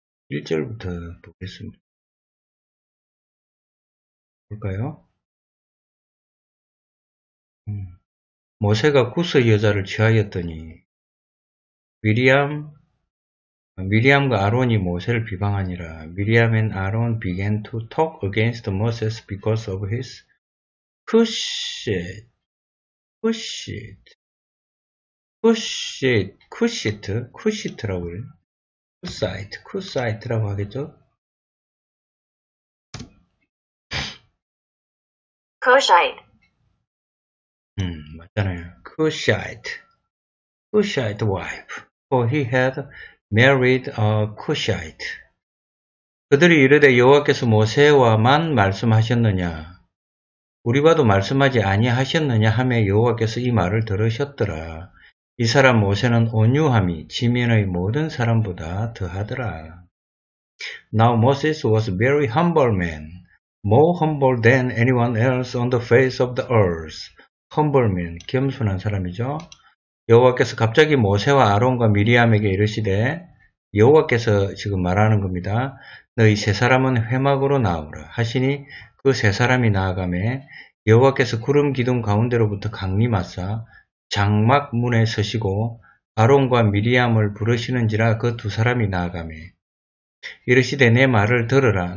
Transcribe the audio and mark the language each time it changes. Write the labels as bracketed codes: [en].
[ko] 1절부터 보겠습니다. 볼까요? 모세가 구스 여자를 취하였더니 미리암과 아론이 모세를 비방하니라. [en] Miriam and Aaron began to talk against Moses because of his cushit. Cushit. Cushit. Cushit. Cushit [ko] 라고 그래요. [en] Cushite. [ko] Cushite라고 하겠죠? [en] Cushite. [ko] 맞잖아요. [en] Cushite. Cushite wife. For he had married a Cushite. [ko] 그들이 이르되 여호와께서 모세와만 말씀하셨느냐 우리와도 말씀하지 아니하셨느냐 하며 여호와께서 이 말을 들으셨더라. 이 사람 모세는 온유함이 지면의 모든 사람보다 더하더라. [en] Now Moses was a very humble man, more humble than anyone else on the face of the earth. Humble man, [ko] 겸손한 사람이죠. 여호와께서 갑자기 모세와 아론과 미리암에게 이르시되 여호와께서 지금 말하는 겁니다. 너희 세 사람은 회막으로 나오라 하시니 그 세 사람이 나아가매 여호와께서 구름 기둥 가운데로부터 강림하사 장막 문에 서시고 아론과 미리암을 부르시는지라 그 두 사람이 나아가매 이르시되 내 말을 들으라.